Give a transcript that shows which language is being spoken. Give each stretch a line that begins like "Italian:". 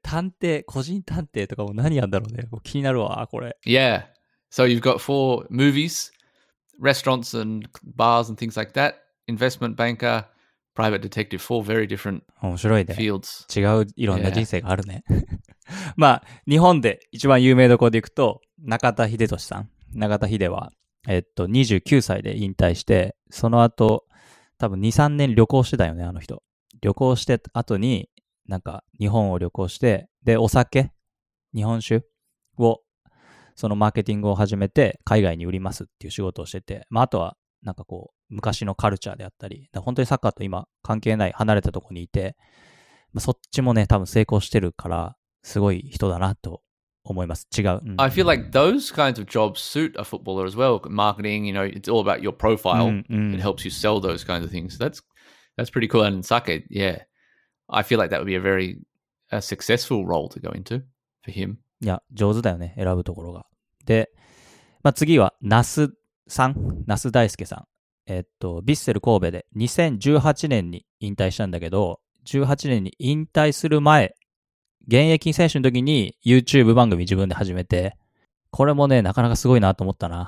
Japanese: 探偵、個人探偵とかも何やんだろうね。もう気になるわ、これ。
English: Yeah, so you've got four movies, restaurants and bars and things like that, investment banker, private detective, four very different fields.
Japanese: 面白いね。違ういろんな人生があるね。まあ、日本で一番有名どころでいくと、中田英寿さん。中田英は、29歳で引退して、その後、多分2、3年旅行してたよね、あの人。旅行して後に、なんか日本を旅行して、で、お酒、日本酒を、そのマーケティングを始めて、海外に売りますっていう仕事をしてて、まあ、あとは、なんかこう、昔のカルチャーであったり、本当にサッカーと今、関係ない、離れたところにいて、まあ、そっちもね、多分成功してるから、すごい人だなと思います。違う。
English: I feel like those kinds of jobs suit a footballer as well. Marketing, you know, it's all about your profile. It helps you sell those kinds of things. That's pretty cool. And sake, yeah. I feel like that would be a successful role to go into for him.
Japanese: いや、上手だよね、選ぶところが。で、まあ、次は、那須さん、那須大輔さん。ヴィッセル神戸で2018年に引退したんだけど、18年に引退する前、現役選手の時に YouTube 番組自分で始めて、これもね、なかなかすごいなと思ったな。